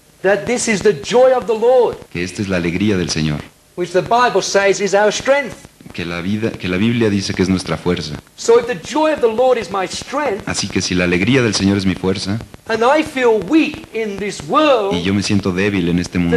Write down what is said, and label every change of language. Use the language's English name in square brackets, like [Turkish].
[English] that this is the joy of the Lord, [Spanish] que esta es la alegría del Señor, [English] which the Bible says is our strength. [Spanish] Que la Biblia dice que es nuestra fuerza. [English] So if the joy of the Lord is my strength, [Spanish] así que si la alegría del Señor es mi fuerza, [English] and I feel weak in this world, [Spanish] y yo me siento débil en este mundo,